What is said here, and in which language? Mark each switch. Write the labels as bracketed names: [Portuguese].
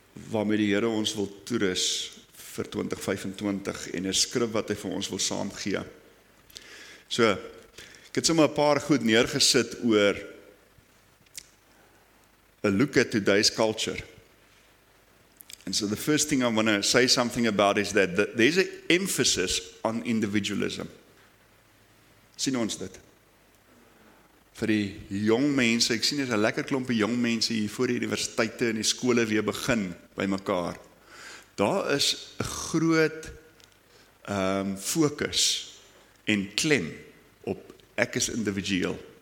[Afrikaans] waarmee die Here ons wil toerus vir 2025 en 'n skrif wat hy vir ons wil saamgee. So, ek het sommer 'n paar goed neergesit oor [English] a look at today's culture. And so the first thing I want to say something about is that there's an emphasis on individualism. [Afrikaans] Sien ons dit? Vir die jong mense, ek sien hier 'n lekker klompie jong mense hier voor die universiteite en die skole weer begin by mekaar. Daar is 'n groot fokus en klem op ek is individueel.